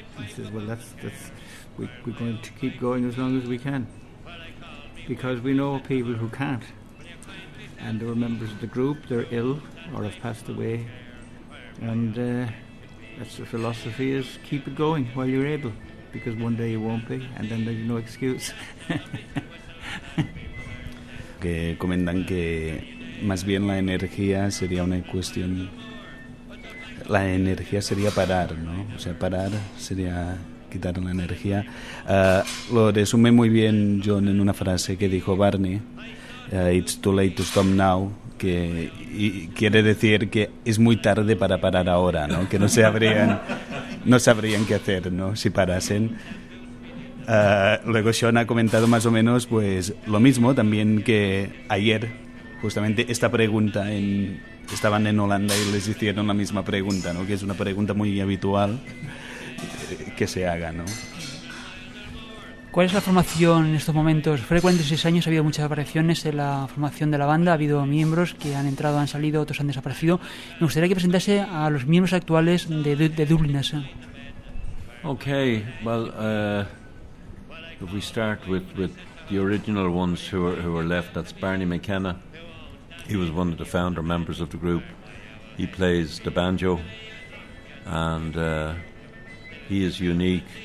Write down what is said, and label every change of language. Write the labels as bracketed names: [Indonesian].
[English] He says, well, we're going to keep going as long as we can, because we know people who can't, and there are members of the group, they're ill or have passed away, and that's the philosophy, is keep it going while you're able, because one day you won't be, and then there's no excuse. [Spanish] Que comentan que más bien la energía sería una cuestión, la energía sería parar, ¿no? O sea, parar sería quitar la energía. Lo resume muy bien John en una frase que dijo Barney, [English] it's too late to stop now, [Spanish] que y quiere decir que es muy tarde para parar ahora, ¿no? Que no sabrían qué hacer, ¿no? Si parasen. Luego Sean ha comentado más o menos pues lo mismo también, que ayer justamente esta pregunta, estaban en Holanda y les hicieron la misma pregunta, ¿no? Que es una pregunta muy habitual que se haga, ¿no? ¿Cuál es la formación en estos momentos? Frecuente, 6 años, ha habido muchas apariciones en la formación de la banda, ha habido miembros que han entrado, han salido, otros han desaparecido. Me gustaría que presentase a los miembros actuales de Dubliners. [English] Okay, well, if we start with the original ones who are left, that's Barney McKenna. He was one of the founder members of the group. He plays the banjo, and he is unique.